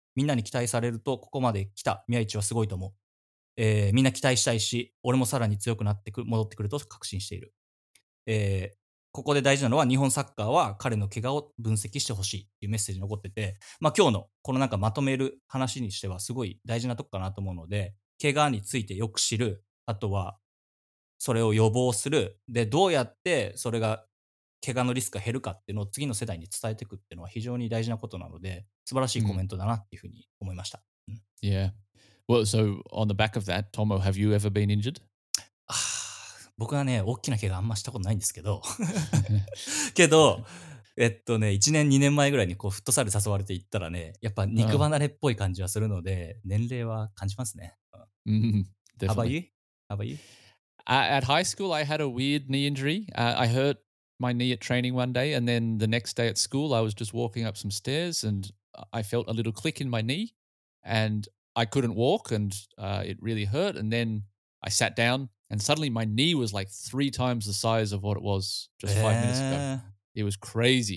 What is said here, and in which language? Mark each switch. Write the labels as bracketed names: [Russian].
[Japanese] みんなに期待されるとここまで来た宮市はすごいと思う、みんな期待したいし俺もさらに強くなってく戻ってくると確信している、ここで大事なのは日本サッカーは彼の怪我を分析してほしいというメッセージ残ってて、まあ、今日のこのなんかまとめる話にしてはすごい大事なとこかなと思うので、怪我についてよく知る、あとはそれを予防するで、どうやってそれが怪我のリスクが減るかっていうのを次の世代に伝えていくっていうのは非常に大事なことなので、素晴らしいコメントだなっていうふうに思いました。うん、yeah. [English] Well, so on the back of that, Tomo, have you ever been injured? [Japanese] 僕はね、大きな怪我あんましたことないんですけど。けど、ね、1年、2年前ぐらいにこうフットサル誘われていったらね、やっぱ肉離れっぽい感じはするので、年齢は感じますね。 Mm-hmm. [English] How about you? How about you? At high school, I had a weird knee injury. I hurt my knee at training one day, and then the next day at school, I was just walking up some stairs, and I felt a little click in my knee, and I couldn't walk, and it really hurt. And then I sat down, and suddenly my knee was like three times the size of what it was just 5 minutes ago. It was crazy.